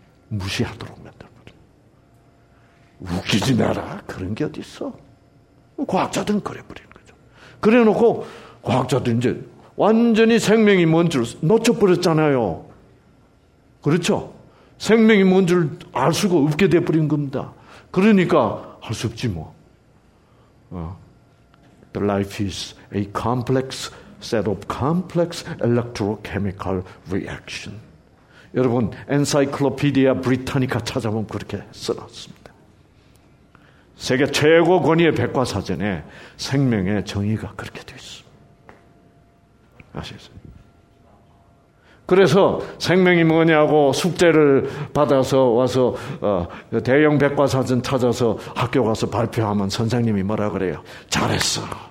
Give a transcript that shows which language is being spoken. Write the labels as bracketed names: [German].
[Korean] 무시하도록 만들어버려. 웃기지 마라. 그런 게 어디 있어? 과학자들은 그래버리는 거죠. 그래놓고 과학자들이 이제 완전히 생명이 뭔 줄 놓쳐버렸잖아요. 그렇죠? 생명이 뭔 줄 알 수가 없게 돼버린 겁니다. 그러니까 할 수 없지 뭐. [English] The life is a complex set of complex electrochemical reaction. [Korean] 여러분, 엔사이클로피디아 브리타니카 찾아보면 그렇게 써놨습니다. 세계 최고 권위의 백과사전에 생명의 정의가 그렇게 되어 있습니다. 아시겠어요? 그래서 생명이 뭐냐고 숙제를 받아서 와서 대형 백과사전 찾아서 학교 가서 발표하면 선생님이 뭐라 그래요? 잘했어.